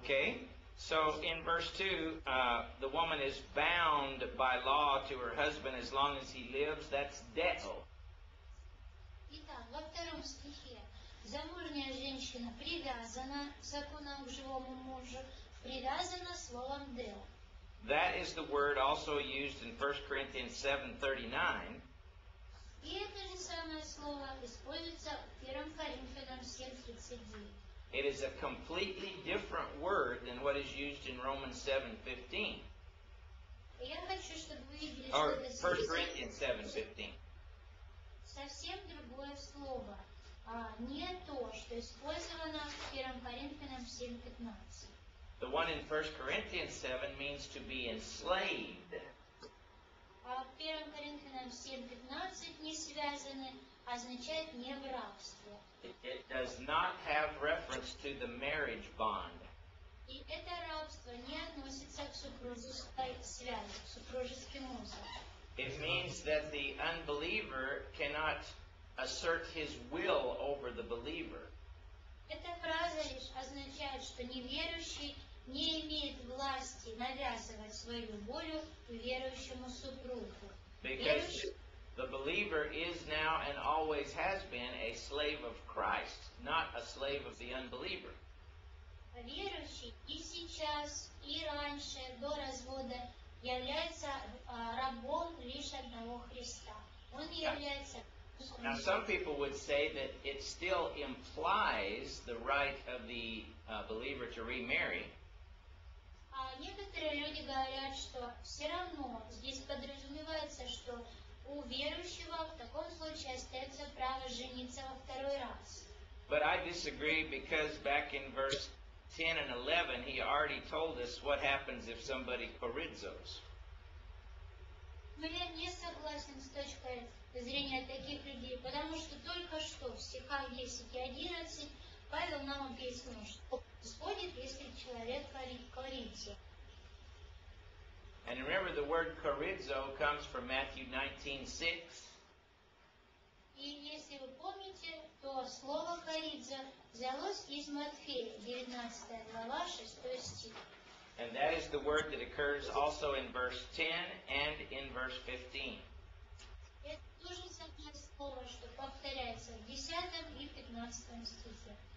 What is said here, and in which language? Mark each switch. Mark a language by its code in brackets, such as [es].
[en] Okay. So in verse 2, the woman is bound by law to her husband as long as he lives. That's deo. [ru] Итак, во втором стихе. Замужняя женщина привязана законом к живому мужу, привязана словом deo. [en] That is the word also used in 1 Corinthians 7:39. [ru] И это же самое слово используется в 1 Коринфянам 7:39. [en] It is a completely different word than what is used in Romans 7:15. [ru] Я хочу, чтобы вы видели, [en] or 1 Corinthians 7:15. [ru] Совсем другое слово, не то, что использовано в 1 Коринфянам 7:15. [en] The one in 1 Corinthians 7 means to be enslaved. [ru] А в 1 Коринфянам 7:15 не связаны, означает не в рабстве. [en] It does not have reference to the marriage bond. [ru] И это рабство не относится к супружеской связи, к супружеским узам. [en] It means that the unbeliever cannot assert his will over the believer. [ru] Эта фраза лишь означает, что неверующий не имеет власти навязывать свою волю верующему супругу. [en] The believer is now and always has been a slave of Christ, not a slave of the unbeliever. [ru] Верующий и сейчас, и раньше, до развода, является рабом лишь одного Христа. Он не является... [en] Now, some people would say that it still implies the right of the believer to remarry. [ru] Некоторые люди говорят, что все равно здесь подразумевается, что у верующего в таком случае остается право жениться во второй раз. [en] But I disagree because back in verse 10 and 11 he already told us what happens if somebody chorizos. [ru] Но я не согласен с точкой зрения таких людей, потому что только что в стихах 10 и 11 Павел нам объяснил, что происходит, если человек коризится. [en] And remember the word chorizo comes from Matthew 19:6. [ru] И если вы помните, то слово хоридзо взялось из Матфея, 19 глава, 6 стих. [en] And that is the word that occurs also in verse 10 and in verse 15. [ru] Это то же самое слово, что повторяется в 10 и 15 стихе.